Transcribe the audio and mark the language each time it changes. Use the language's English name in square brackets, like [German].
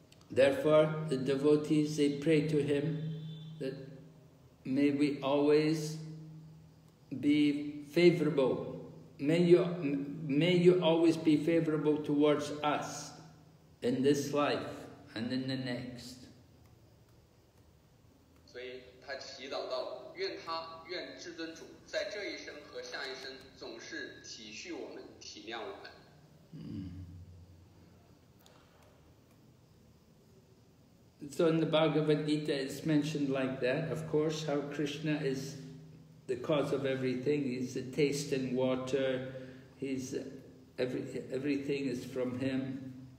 [English] Therefore, the devotees, they pray to him that may we always be favorable. May you always be favorable towards us in this life and in the next. [Chinese] 所以他祈祷到愿至尊主在这一生和下一生总是体恤我们体谅我们。 [English] So in the Bhagavad Gita it's mentioned like that, of course, how Krishna is the cause of everything. He's the taste in water, he's everything is from him.